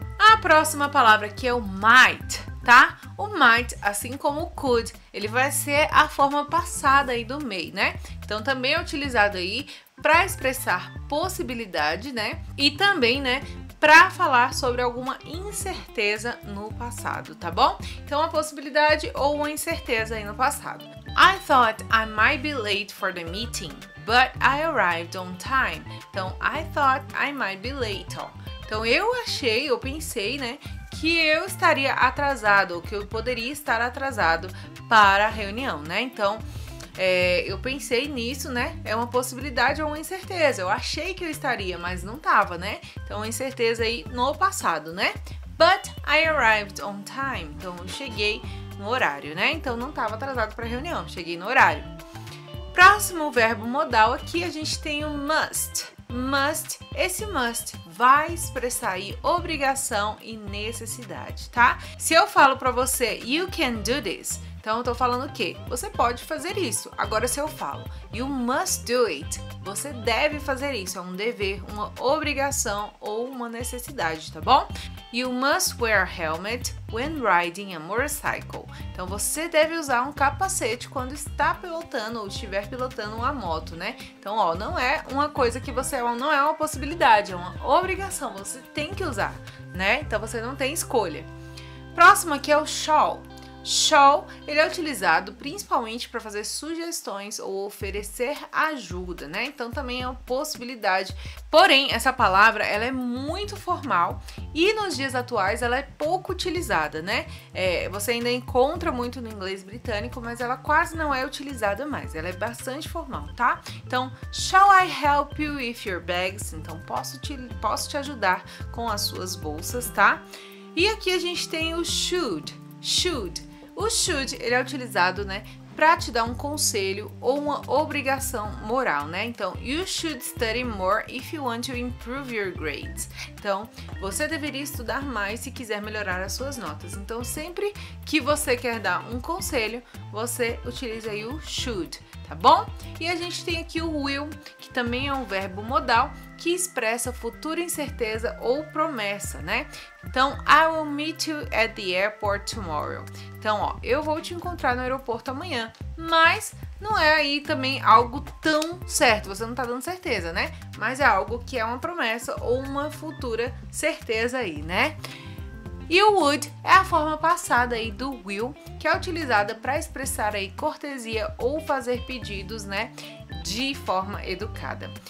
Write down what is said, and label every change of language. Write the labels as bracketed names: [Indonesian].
[Portuguese] A próxima palavra aqui é o might, tá? O might, assim como o could, ele vai ser a forma passada aí do may, né? Então, também é utilizado aí para expressar possibilidade, né? E também, né, para falar sobre alguma incerteza no passado, tá bom? Então, a possibilidade ou uma incerteza aí no passado. [English] I thought I might be late for the meeting, but I arrived on time. [Portuguese] Então, [English] I thought I might be late. [Portuguese] Então, eu pensei, né, que eu estaria atrasado, ou que eu poderia estar atrasado para a reunião, né? Então, eu pensei nisso, né? É uma possibilidade ou uma incerteza. Eu achei que eu estaria, mas não tava, né? Então, incerteza aí no passado, né? [English] But I arrived on time. [Portuguese] Então, eu cheguei no horário, né? Então, não tava atrasado para a reunião, cheguei no horário. Próximo verbo modal aqui, a gente tem o must. Must, esse must vai expressar aí obrigação e necessidade, tá? Se eu falo pra você, [English] you can do this, [Portuguese] então eu tô falando o quê? Você pode fazer isso. Agora, se eu falo, [English] you must do it, [Portuguese] você deve fazer isso. É um dever, uma obrigação ou uma necessidade, tá bom? [English] You must wear a helmet when riding a motorcycle. [Portuguese] Então, você deve usar um capacete quando está pilotando ou estiver pilotando uma moto, né? Então, ó, não é uma coisa que você... não é uma possibilidade, é uma obrigação. Você tem que usar, né? Então, você não tem escolha. Próximo aqui é o shawl. Shawl, ele é utilizado principalmente para fazer sugestões ou oferecer ajuda, né? Então também é uma possibilidade. Porém, essa palavra, ela é muito formal e nos dias atuais ela é pouco utilizada, né? Você ainda encontra muito no inglês britânico, mas ela quase não é utilizada mais. Ela é bastante formal, tá? [English] Então, shall I help you with your bags? [Portuguese] Então, posso te ajudar com as suas bolsas, tá? E aqui a gente tem o should. Should. O should, ele é utilizado, né, para te dar um conselho ou uma obrigação moral, né? [English] Então, you should study more if you want to improve your grades. [Portuguese] Então, você deveria estudar mais se quiser melhorar as suas notas. Então, sempre que você quer dar um conselho, você utiliza aí o should, tá bom? E a gente tem aqui o will, que também é um verbo modal que expressa futura incerteza ou promessa, né? [English] Então, I will meet you at the airport tomorrow. [Portuguese] Então, ó, eu vou te encontrar no aeroporto amanhã, mas não é aí também algo tão certo, você não tá dando certeza, né? Mas é algo que é uma promessa ou uma futura certeza aí, né? E o would é a forma passada aí do will, que é utilizada para expressar aí cortesia ou fazer pedidos, né, de forma educada.